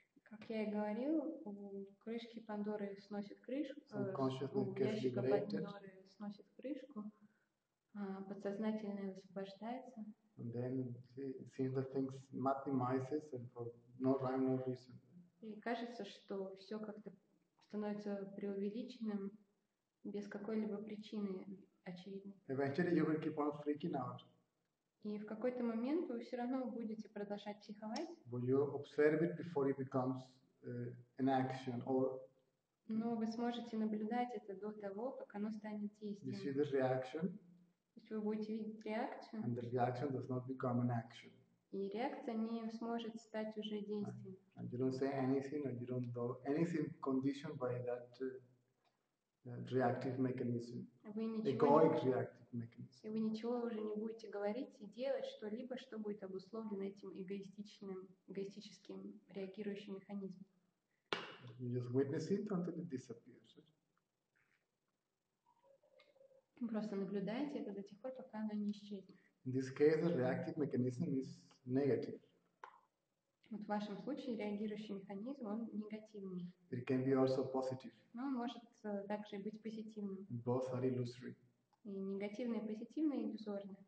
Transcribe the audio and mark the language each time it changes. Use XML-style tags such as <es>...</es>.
<ru>Как я и говорил, у крышки Пандоры сносит крышку, у ящика Пандоры сносит крышку, подсознательное высвобождается.</ru> <en>And then seeing the things maximizes and for no rhyme, no reason.</en> <ru>И кажется, что все как-то становится преувеличенным без какой-либо причины очевидной.</ru> <en>Eventually you will keep on freaking out.</en> <ru>И в какой-то момент вы все равно будете продолжать психовать.</ru> <en>Will you observe it before it becomes an action or?</en> <ru>Но вы сможете наблюдать это до того, как оно станет действием.</ru> <en>You see the reaction.</en> <ru>То есть вы будете видеть реакцию.</ru> <en>And the reaction does not become an action.</en> <ru>И реакция не сможет стать уже действием.</ru> <en>And you don't say anything, and you don't do anything conditioned by that. Reactive mechanism. Egoic reactive mechanism.</en> <ru>И вы ничего уже не будете говорить и делать что-либо, что будет обусловлено этим эгоистическим реагирующим механизмом.</ru> <en>You just witness it until it disappears.</en> <ru>Просто наблюдайте это до тех пор, пока оно не исчезнет.</ru> <en>In this case, the reactive mechanism is negative.</en> <ru>Вот в вашем случае реагирующий механизм, он негативный.</ru> <en>It can be also positive.</en> <ru>Но он может также быть позитивным.</ru> <en>Both are illusory.</en> <ru>И негативные, и позитивные, и иллюзорные.</ru>